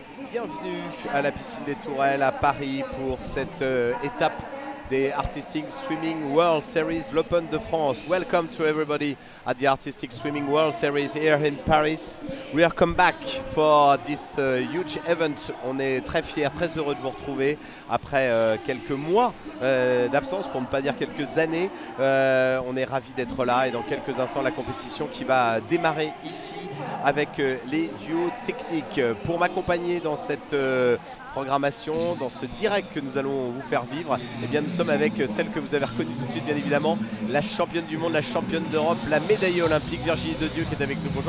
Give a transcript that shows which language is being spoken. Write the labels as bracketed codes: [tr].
[fr] Bienvenue à la piscine des Tourelles à Paris pour cette étape des Artistic Swimming World Series, l'Open de France. [en] Welcome to everybody at the Artistic Swimming World Series here in Paris. We are come back for this huge event. [fr] On est très fiers, très heureux de vous retrouver après quelques mois d'absence, pour ne pas dire quelques années. On est ravis d'être là et dans quelques instants, la compétition qui va démarrer ici avec les duos techniques. Pour m'accompagner dans cette programmation, dans ce direct que nous allons vous faire vivre, eh bien, nous sommes avec celle que vous avez reconnue tout de suite, bien évidemment, la championne du monde, la championne d'Europe, la médaillée olympique, Virginie Dedieu, qui est avec nous.